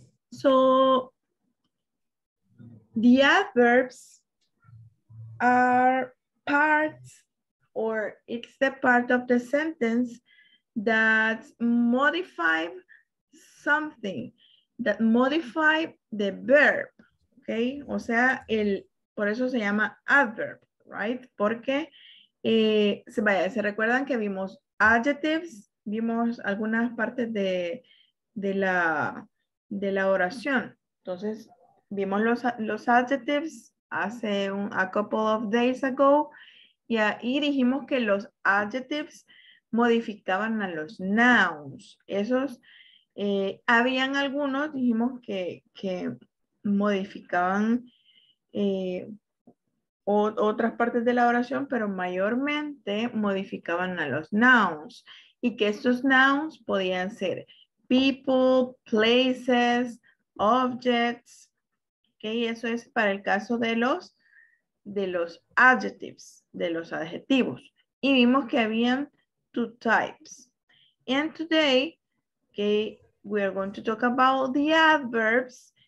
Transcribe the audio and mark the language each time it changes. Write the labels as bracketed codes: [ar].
[en] So the adverbs are parts, or it's the part of the sentence that modify something, that modify the verb, okay? [es] O sea, el, por eso se llama adverb, [en] right? [es] Porque, vaya, se recuerdan que vimos adjectives, vimos algunas partes de la oración. Entonces, vimos los adjectives hace [en] a couple of days ago, [es] y ahí dijimos que los adjectives modificaban a los nouns. Esos, habían algunos, dijimos, que modificaban otras partes de la oración, pero mayormente modificaban a los nouns. Y que estos nouns podían ser [en] people, places, objects. [es] Okay, eso es para el caso de los adjectives, de los adjetivos. Y vimos que habían [en] two types. And today, okay, we are going to talk about the adverbs.